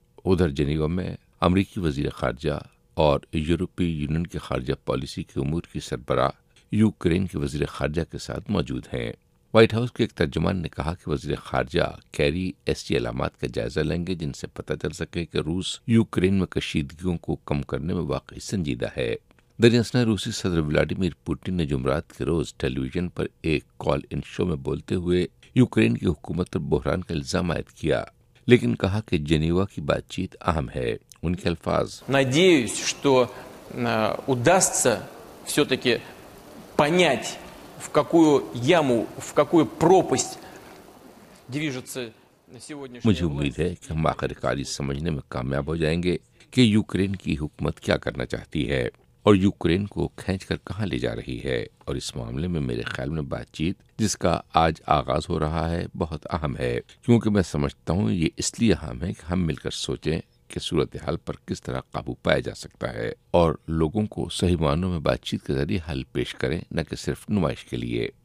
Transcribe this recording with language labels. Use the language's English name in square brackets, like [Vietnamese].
[Urdu] ادھر جنیوا میں امریکی وزیر خارجہ اور یورپی یونین کے خارجہ پالیسی کے امور کی سربراہ یوکرین کے وزیر خارجہ کے ساتھ موجود ہیں۔ وائٹ ہاؤس کے ایک ترجمان نے کہا کہ وزیر خارجہ کیری ایسی علامات کا جائزہ لیں گے جن سے پتہ چل سکے کہ روس یوکرین میں کشیدگیوں کو کم کرنے میں واقعی سنجیدہ ہے۔ دراصل روسی صدر ولادیمیر پوٹن نے جمعرات کے روز ٹیلی ویژن پر ایک کال ان شو میں بولتے ہوئے یوکرین کی حکومت پر بحران کا الزام عائد کیا، لیکن کہا کہ جنیوا کی بات چیت اہم ہے۔ ان کے الفاظ، [Russian] надеюсь, что удастся всё-таки понять в какую яму, в какую пропасть движется сегодняшняя власть۔ [Urdu] مجھے امید ہے کہ ہم آخرکار سمجھنے میں کامیاب ہو جائیں گے کہ یوکرین کی حکومت کیا کرنا چاہتی ہے اور یوکرین کو کھینچ کر کہاں لے جا رہی ہے، اور اس معاملے میں میرے خیال میں بات چیت جس کا آج آغاز ہو رہا ہے بہت اہم ہے، کیونکہ میں سمجھتا ہوں یہ اس لیے اہم ہے کہ ہم مل کر سوچیں کہ صورتحال پر کس طرح قابو پایا جا سکتا ہے اور لوگوں کو صحیح معنوں میں بات چیت کے ذریعے حل پیش کریں، نہ کہ صرف نمائش کے لیے۔